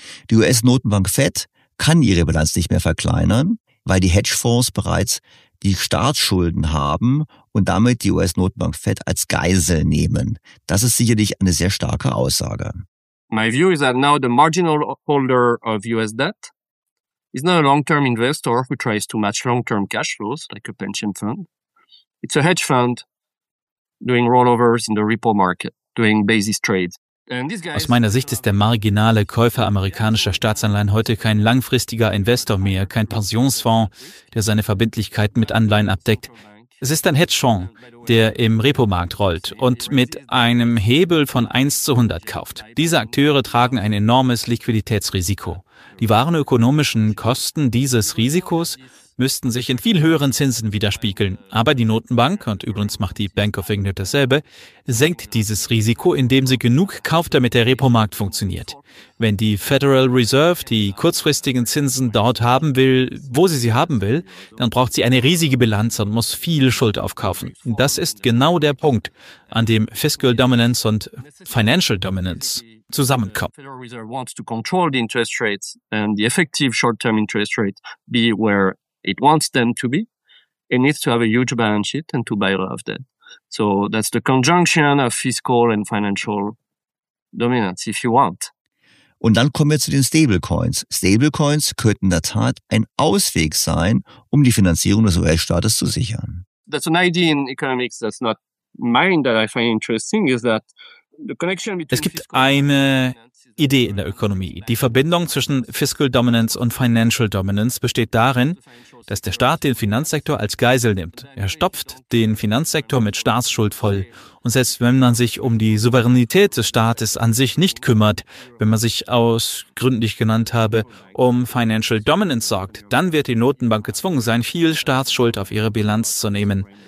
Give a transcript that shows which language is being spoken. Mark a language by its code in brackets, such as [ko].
[de] Die US-Notenbank Fed kann ihre Bilanz nicht mehr verkleinern, weil die Hedgefonds bereits die Staatsschulden haben und damit die US-Notenbank Fed als Geisel nehmen. Das ist sicherlich eine sehr starke Aussage. [en] My view is that now the marginal holder of US debt is not a long-term investor who tries to match long-term cash flows like a pension fund. It's a hedge fund doing rollovers in the repo market, doing basis trades. [de] Aus meiner Sicht ist der marginale Käufer amerikanischer Staatsanleihen heute kein langfristiger Investor mehr, kein Pensionsfonds, der seine Verbindlichkeiten mit Anleihen abdeckt. Es ist ein Hedgefonds, der im Repo-Markt rollt und mit einem Hebel von 1 zu 100 kauft. Diese Akteure tragen ein enormes Liquiditätsrisiko. Die wahren ökonomischen Kosten dieses Risikos müssten sich in viel höheren Zinsen widerspiegeln. Aber die Notenbank, und übrigens macht die Bank of England dasselbe, senkt dieses Risiko, indem sie genug kauft, damit der Repo-Markt funktioniert. Wenn die Federal Reserve die kurzfristigen Zinsen dort haben will, wo sie sie haben will, dann braucht sie eine riesige Bilanz und muss viel Schuld aufkaufen. Das ist genau der Punkt, an dem Fiscal Dominance und Financial Dominance zusammenkommen. [en] Federal Reserve wants to control the interest rates and the effective short-term interest rate be where it wants them to be. It needs to have a huge balance sheet and to buy a lot of debt. So that's the conjunction of fiscal and financial dominance, if you want. [de] Und dann kommen wir zu den Stablecoins. Stablecoins könnten in der Tat ein Ausweg sein, um die Finanzierung des US-Staates zu sichern. [en] That's an idea in economics that's not mine that I find interesting is that the connection between [de] Es gibt eine Idee in der Ökonomie. Die Verbindung zwischen Fiscal Dominance und Financial Dominance besteht darin, dass der Staat den Finanzsektor als Geisel nimmt. Er stopft den Finanzsektor mit Staatsschuld voll. Und selbst wenn man sich um die Souveränität des Staates an sich nicht kümmert, wenn man sich aus gründlich genannt habe, um Financial Dominance sorgt, dann wird die Notenbank gezwungen sein, viel Staatsschuld auf ihre Bilanz zu nehmen.